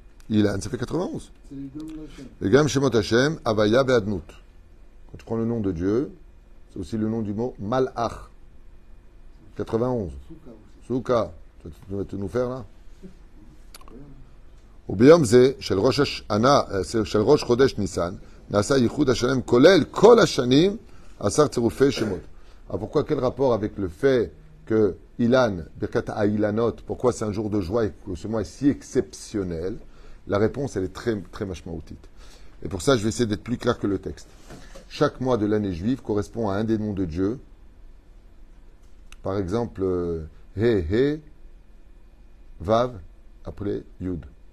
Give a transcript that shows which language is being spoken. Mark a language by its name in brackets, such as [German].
[French] Ilan, ça fait 91. Et [Hebrew] Gam Shemot Hashem, Avaya Beadnut. [French] Quand tu prends le nom de Dieu, c'est aussi le nom du mot Malach. 91. Souka. Souka. Tu vas nous faire là? [Hebrew] וביום זה של ראש השנה של ראש חודש ניסן נעשה ייחוד השלם כולל כל השנים עשר צירופי שמות. [French] Pourquoi, quel rapport avec le fait que Ilan, Birkat Ha'ilanot, pourquoi c'est un jour de joie et que ce mois est si exceptionnel? La réponse, elle est très très machmaoutite. Et pour ça, je vais essayer d'être plus clair que le texte. Chaque mois de l'année juive correspond à un des noms de Dieu. Par exemple, He He Vav appelé Yud.